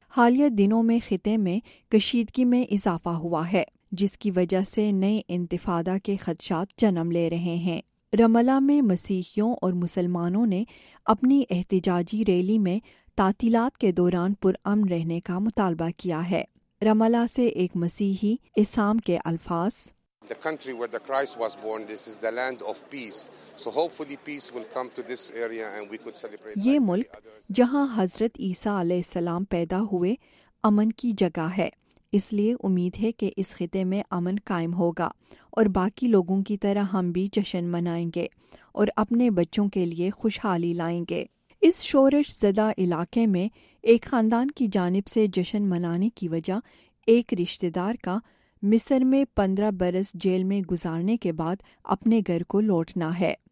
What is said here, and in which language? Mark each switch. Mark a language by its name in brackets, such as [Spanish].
[Urdu] حالیہ دنوں میں خطے میں کشیدگی میں اضافہ ہوا ہے جس کی وجہ سے نئے انتفاضہ کے خدشات جنم لے رہے ہیں. رام اللہ میں مسیحیوں اور مسلمانوں نے اپنی احتجاجی ریلی میں تعطیلات کے دوران پرامن رہنے کا مطالبہ کیا ہے. رام اللہ سے ایک مسیحی اسام کے الفاظ, [English] the country where the Christ was born, this is the land of peace, so hopefully peace will come to this area and we could celebrate. [Urdu] یہ ملک جہاں حضرت عیسیٰ علیہ السلام پیدا ہوئے امن کی جگہ ہے, اس لیے امید ہے کہ اس خطے میں امن قائم ہوگا اور باقی لوگوں کی طرح ہم بھی جشن منائیں گے اور اپنے بچوں کے لیے خوشحالی لائیں گے. اس شورش زدہ علاقے میں ایک خاندان کی جانب سے جشن منانے کی وجہ ایک رشتہ دار کا مصر میں 15 برس جیل میں گزارنے کے بعد اپنے گھر کو لوٹنا ہے.